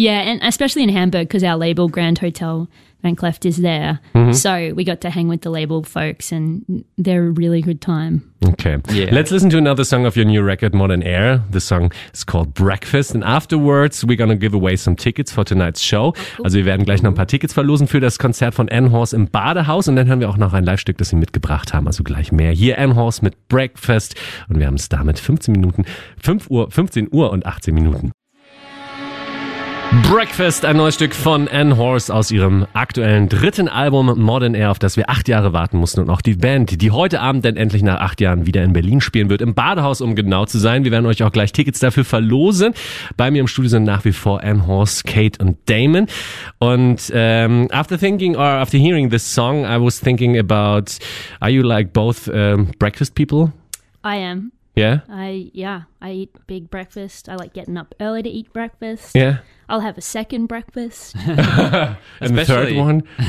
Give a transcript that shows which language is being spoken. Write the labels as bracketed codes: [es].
[en] And especially in Hamburg, because our label Grand Hotel Van Cleft is there, so we got to hang with the label folks, and they're a really good time. Okay, let's listen to another song of your new record, Modern Air. The song is called Breakfast, and afterwards we're gonna give away some tickets for tonight's show. Oh, cool. [de] Also, wir werden gleich noch ein paar Tickets verlosen für das Konzert von N-Horst im Badehaus, und dann hören wir auch noch ein Live-Stück, das sie mitgebracht haben. Also gleich mehr hier N-Horst mit Breakfast, und wir haben es damit 15 Uhr und 18 Minuten. Breakfast, ein neues Stück von N-Horst aus ihrem aktuellen dritten Album Modern Air, auf das wir 8 Jahre warten mussten, und auch die Band, die heute Abend dann endlich nach 8 Jahren wieder in Berlin spielen wird, im Badehaus, um genau zu sein. Wir werden euch auch gleich Tickets dafür verlosen. Bei mir im Studio sind nach wie vor N-Horst, Kate und Damon. Und [en] after hearing this song, I was thinking about, are you like both breakfast people? I am. Yeah? I eat big breakfast. I like getting up early to eat breakfast. Yeah. I'll have a second breakfast. And the third one?